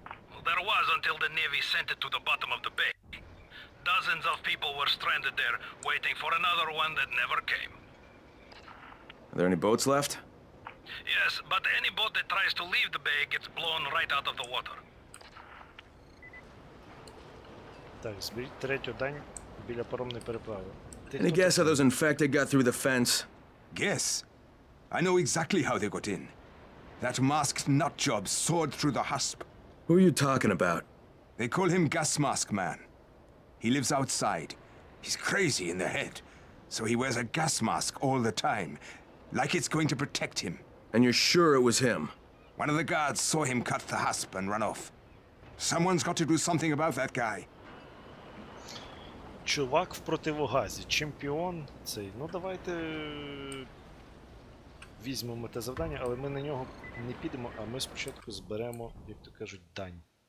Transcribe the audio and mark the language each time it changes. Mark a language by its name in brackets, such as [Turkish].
[English] Well, there was until the Navy sent it to the bottom of the bay. Dozens of people were stranded there, waiting for another one that never came. Are there any boats left? Yes, but any boat that tries to leave the bay gets blown right out of the water. [Ukrainian] Так, третій день біля паромної переправи. [English] Any guess how those infected got through the fence? Guess? I know exactly how they got in. That masked nutjob soared through the husk. Who are you talking about? They call him Gas Mask Man. He lives outside. He's crazy in the head. So he wears a gas mask all the time. Like it's going to protect him. And you're sure it was him? One of the guards saw him cut the husk and run off. Someone's got to do something about that guy. [Ukrainian] Чувак в противогазі, чемпіон цей. Ну давайте візьмемо те завдання, але ми на нього не підемо, а ми спочатку зберемо, як то кажуть, дань.